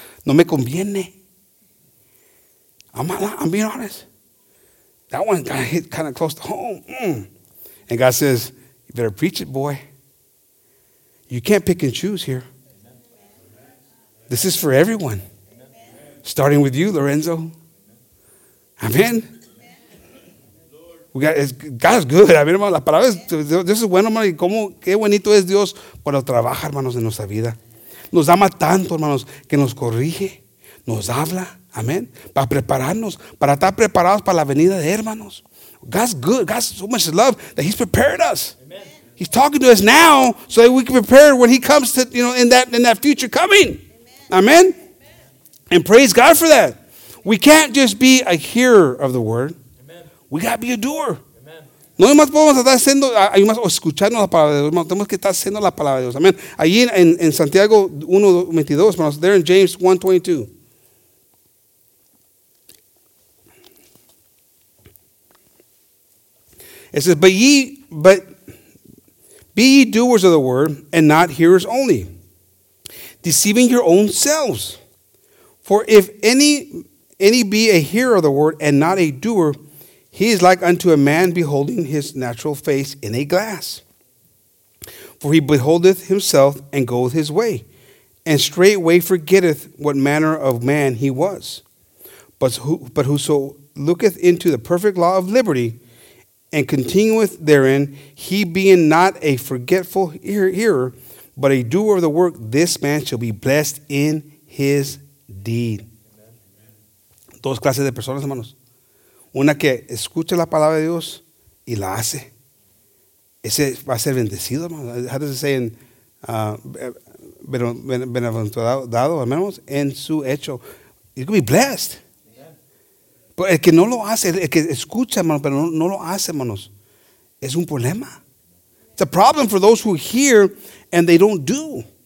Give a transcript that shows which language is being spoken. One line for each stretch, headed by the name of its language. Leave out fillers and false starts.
Spanish: No me conviene.
English: I'm being honest. That one got hit kind of close to home. Mm. And God says, you better preach it, boy. You can't pick and choose here. This is for everyone. Starting with you, Lorenzo. Amen. God is good.
Spanish: Amen, hermano. La palabra Dios es bueno, hermano. Y cómo, qué bonito es Dios cuando trabaja, hermanos, en nuestra vida. Nos ama tanto, hermanos, que nos corrige, nos habla. Amén. Para prepararnos, para estar preparados para la venida de hermanos.
English: God's good. God's so much love that He's prepared us. Amen. He's talking to us now so that we can prepare when He comes to, you know, in that future coming. Amen. Amen. And praise God for that. We can't just be a hearer of the word. Amen. We got to be a doer.
Spanish: No más podemos estar haciendo, hay más escuchando la palabra de Dios, tenemos que estar haciendo la palabra de Dios. Amén. Allí en Santiago 1:22, hermanos,
English: there in James 1:22. It says, but be ye doers of the word, and not hearers only, deceiving your own selves. For if any be a hearer of the word and not a doer, he is like unto a man beholding his natural face in a glass. For he beholdeth himself and goeth his way, and straightway forgetteth what manner of man he was. But whoso looketh into the perfect law of liberty and continueth therein, he being not a forgetful hearer, but a doer of the work, this man shall be blessed in his deed.
Spanish: Amen. Dos clases de personas, hermanos. Una que escucha la palabra de Dios y la hace. Ese va a ser bendecido, hermano.
English: How does it say
Spanish: benaventurado, hermanos, en su hecho?
English: You can be blessed.
Spanish: Pero el que no lo hace, el que escucha, hermano, pero no lo hace, hermanos, es un problema.
English: It's a problem for those who hear and they don't do.